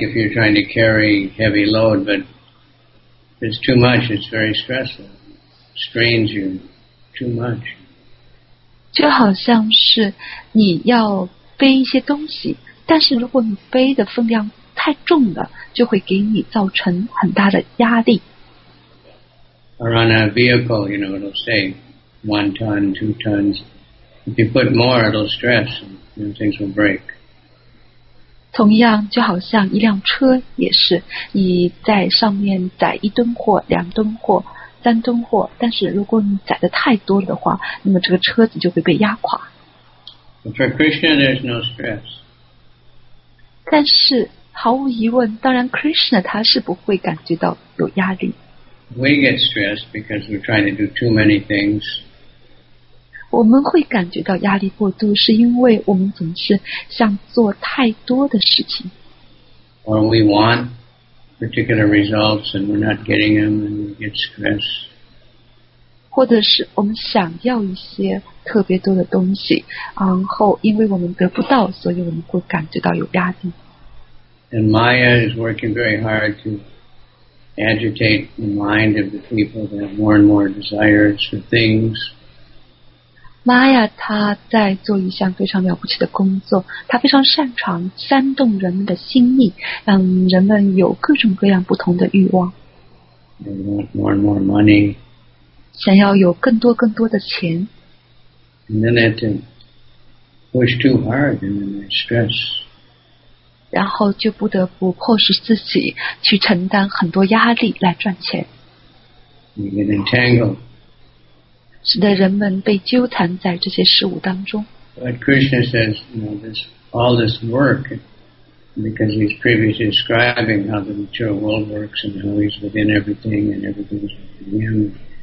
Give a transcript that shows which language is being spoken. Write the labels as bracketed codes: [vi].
[en] if you're trying to carry heavy load, but if it's too much, it's very stressful. Strains you too much. [zh] 就好像是你要背一些东西，但是如果你背的分量太重了，就会给你造成很大的压力。 [en] Or on a vehicle, you know, it'll say 1 ton, 2 tons. If you put more, it'll stress and things will break. [zh] 同样就好像一辆车也是，你在上面载一吨货、两吨货、三吨货，但是如果你载的太多的话，那么这个车子就会被压垮。 [en] For Krishna, there's no stress. [zh] 但是毫无疑问，当然 Krishna 他是不会感觉到有压力。 [en] We get stressed because we're trying to do too many things. [zh] 我们会感觉到压力过度，是因为我们总是想做太多的事情。 [en] Or we want particular results and we're not getting them and we get stressed. [zh] 或者是我们想要一些特别多的东西，然后因为我们得不到，所以我们会感觉到有压力。 [en] And Maya is working very hard to agitate the mind of the people that have more and more desires for things. [zh] Maya 她在做一项非常了不起的工作，她非常擅长煽动人们的心意，让人们有各种各样不同的欲望。 [en] They want more and more money. [zh] 想要有更多更多的钱。 [en] And then they have to push too hard and then they stress. [zh] 然后就不得不迫使自己去承担很多压力来赚钱。 [en] You get entangled. [zh] 使得人们被纠缠在这些事物当中。 [en] But Krishna says, you know, this, all this work, because he's previously describing how the material world works and how he's within everything and everything's within him.